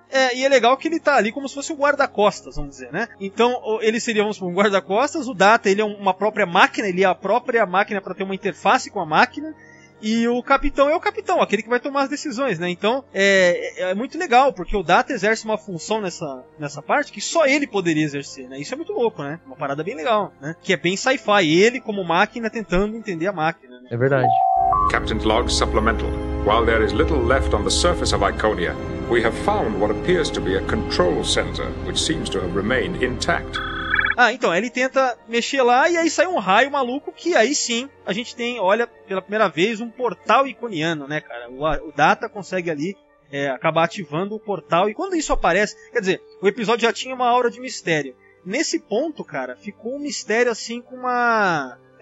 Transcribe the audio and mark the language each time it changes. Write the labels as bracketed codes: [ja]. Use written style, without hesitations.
[pt] É, e é legal que ele tá ali como se fosse um guarda-costas, vamos dizer, né? Então, ele seria, vamos supor, um guarda-costas, o Data, ele é uma própria máquina, ele é a própria máquina pra ter uma interface com a máquina, e o capitão é o capitão, aquele que vai tomar as decisões, né? Então, é muito legal, porque o Data exerce uma função nessa parte que só ele poderia exercer, né? Isso é muito louco, né? Uma parada bem legal, né? Que é bem sci-fi, ele como máquina tentando entender a máquina, né? É verdade. [en] Captain's log supplemental. While there is little left on the surface of Iconia, we have found what appears to be a control center, which seems to have remained intact. [pt] Ah, então, ele tenta mexer lá e aí sai um raio maluco que aí sim a gente tem, olha, pela primeira vez, um portal iconiano, né, cara? O Data consegue ali acabar ativando o portal. E quando isso aparece, quer dizer, o episódio já tinha uma aura de mistério. Nesse ponto, cara, ficou um mistério assim com uma...